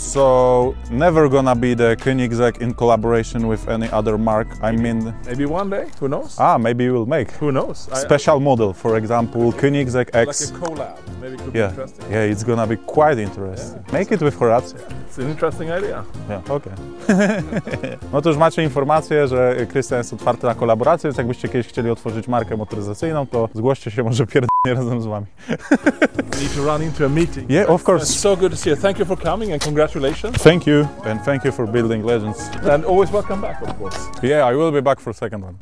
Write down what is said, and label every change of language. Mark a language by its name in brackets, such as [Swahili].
[English] So never gonna be the Koenigsegg in collaboration with any other mark. Maybe one day, who knows? Maybe we'll make. Who knows? Special model, for example, Koenigsegg X. Like a collab, maybe it could be interesting. Yeah, it's gonna be quite interesting. Yeah. Make it with Horacio. Yeah. It's an interesting idea. Yeah, okay. [Polish] No to już macie informację, że Christian jest otwarty na kolaborację, więc jakbyście kiedyś chcieli otworzyć markę motoryzacyjną, to zgłoście się, może pierdolę. nie razem z wami. [English] Need to run into a meeting. Yeah, of course. It's so good to see you. Thank you for coming and congratulations. Thank you. And thank you for building legends. And always welcome back, of course. Yeah, I will be back for second one.